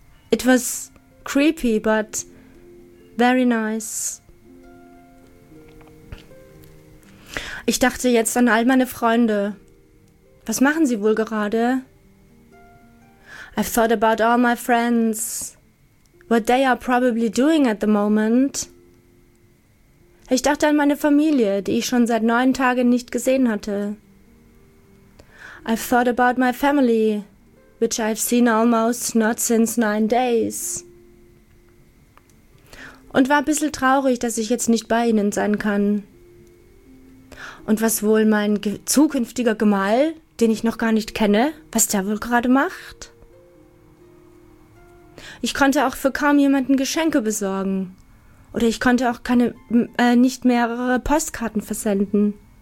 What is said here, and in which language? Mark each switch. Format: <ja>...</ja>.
<en>It was creepy, but very nice.</en> <de>Ich dachte jetzt an all meine Freunde. Was machen sie wohl gerade?</de> <en>I've thought about all my friends. What they are probably doing at the moment.</en> <de>Ich dachte an meine Familie, die ich schon seit 9 Tagen nicht gesehen hatte.</de> <en>I've thought about my family, which I've seen almost not since 9 days.</en> <de>Und war ein bisschen traurig, dass ich jetzt nicht bei ihnen sein kann. Und was wohl mein zukünftiger Gemahl, den ich noch gar nicht kenne, was der wohl gerade macht? Ich konnte auch für kaum jemanden Geschenke besorgen. Oder ich konnte auch nicht mehrere Postkarten versenden.</de>